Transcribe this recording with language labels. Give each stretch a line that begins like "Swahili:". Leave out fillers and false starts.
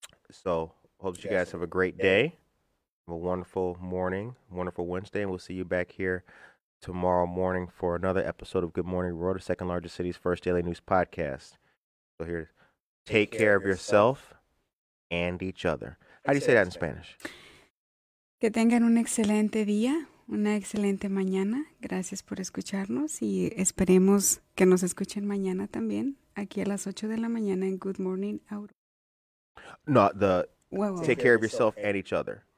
English: So hope that you guys have a great day, a wonderful morning, wonderful Wednesday, and we'll see you back here tomorrow morning for another episode of Good Morning Aurora, the second largest city's first daily news podcast. So here, take care of yourself and each other. How do you say that in Spanish?
Spanish: Que tengan un excelente día, una excelente mañana. Gracias por escucharnos y esperemos que nos escuchen mañana también, aquí a las 8 de la mañana en Good Morning Aurora.
English: No, take care of yourself and each other.